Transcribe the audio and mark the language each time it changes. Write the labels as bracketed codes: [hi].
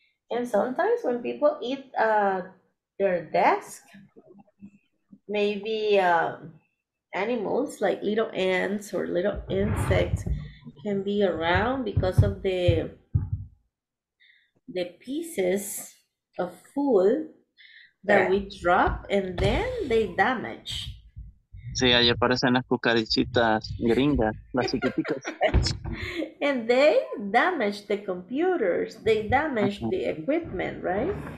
[en] And sometimes when people eat their desk, maybe animals like little ants or little insects can be around because of the pieces of food that we drop and then they damage. [es] Sí, ahí aparecen las cucarachitas gringas, las chiquiticas. [en] And they damage the computers, they damage the equipment, right?